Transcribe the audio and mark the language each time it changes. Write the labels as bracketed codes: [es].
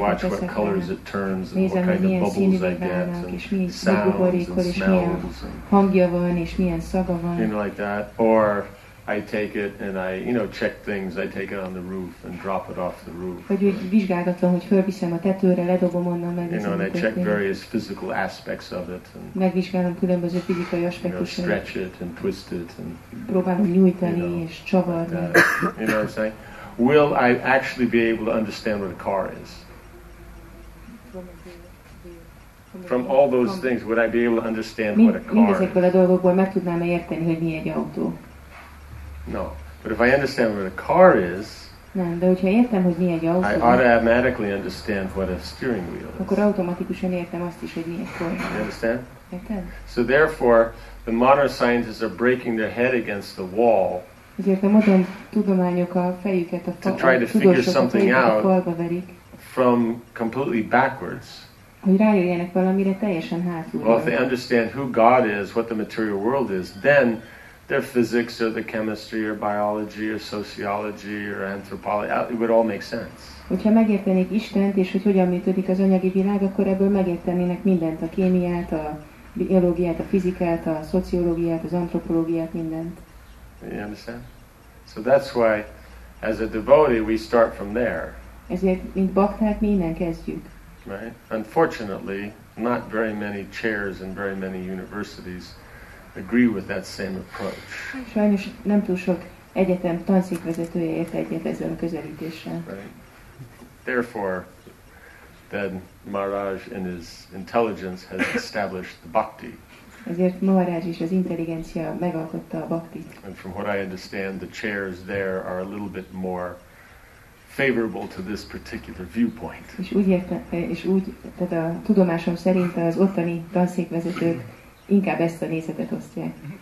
[en] I watch what colors it turns, [hu] nézem, [en] and what kind of bubbles I get, and sounds, and smells, [hu] és milyen hangja van, és milyen szaga van. [en] You know, like that. Or I take it and I, you know, check things. I take it on the roof and drop it off the roof. [hu] Vagy úgy vizsgálgatlan, hogy fölviszem a tetőre, ledobom onnan, megnézem. [en] You know, and I check various physical aspects of it. And, [hu] megvizsgálom különböző fizikai aspektusokat. [en] You know, stretch it and twist it and. [hu] Próbálom nyújtani, [en] you know, [hu] és csavarni. [en] You know what I'm saying? Will I actually be able to understand what a car is? From all those things, would I be able to understand what a car is? [hu] Mindezekből a dolgokból meg tudnám-e érteni, hogy mi egy autó? [en] No, but if I understand what a car is, [hu] nem, de hogyha értem, hogy mi egy autó, [en] I automatically understand what a steering wheel is. [hu] Akkor automatikusan értem azt is, hogy mi egy kormány. [en] You understand? [hu] Érted? [en] So therefore, the modern scientists are breaking their head against the wall. [hu] Ezért a modern tudományok a fejüket a falba verik. [en] To try to figure something out from completely backwards. [hu] Hogy rájöjjenek valamire teljesen hátulról. [en] Well, if they understand who God is, what the material world is, then their physics or the chemistry or biology or sociology or anthropology, it would all make sense. [hu] Hogyha megértenék Istent, és hogy hogyan működik az anyagi világ, akkor ebből megértenének mindent, a kémiát, a biológiát, a fizikát, a szociológiát, az antropológiát, mindent. [en] You understand? So that's why, as a devotee, we start from there. [hu] Ezért, mint bakták, mi innen kezdjük. [en] Right? Unfortunately, not very many chairs in very many universities agree with that same approach. [hu] Sajnos nem túl sok egyetem tanszékvezetője ért egyet ezzel a közelítéssel. [en] Therefore, then Maharaj in his intelligence has established the bhakti. [hu] Ezért Maharaj is az intelligencia megalkotta a bhaktit. [en] And from what I understand, the chairs there are a little bit more favorable to this particular viewpoint. [hu] És úgy, tehát a tudomásom szerint az ottani tanszékvezetők inkább ezt a nézetet osztják.